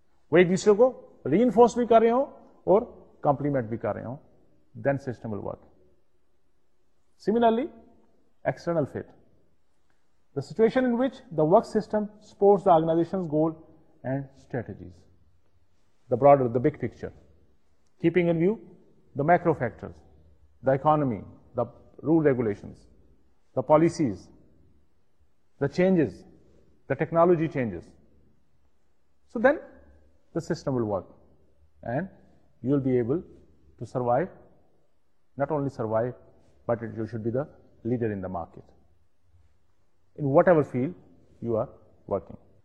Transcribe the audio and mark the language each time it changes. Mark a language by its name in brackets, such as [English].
[Urdu] وہ ایک دوسرے کو ری انفورس بھی کر رہے ہوں اور کمپلیمنٹ بھی کر رہے ہوں, [English] Then system will work. Similarly external fit, the situation in which the work system supports the organisation goal and strategies, the broader, the big picture, keeping in view the macro factors, the economy, the role regulations, the policies, the changes, the technology changes. So then the system will work and you will be able to survive, not only survive, but you should be the leader in the market in whatever field you are working.